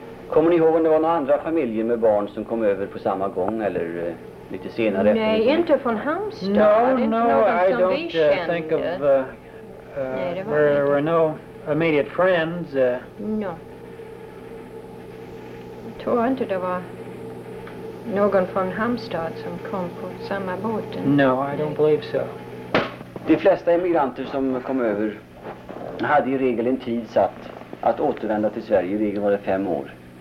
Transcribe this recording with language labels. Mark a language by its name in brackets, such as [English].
[Swedish] Kommer ni ihåg om det var några andra familjer med barn som kom över på samma gång eller lite senare? Nej, inte från Halmstad. [English] No, I don't think of there were no immediate friends. No. [Swedish] Jag tror inte det var någon från Halmstad som kom på samma båt. [English] No, I don't believe so. [Swedish] De flesta emigranter som kom över hade i regel en tid satt att återvända till Sverige. I regel var det 5 år.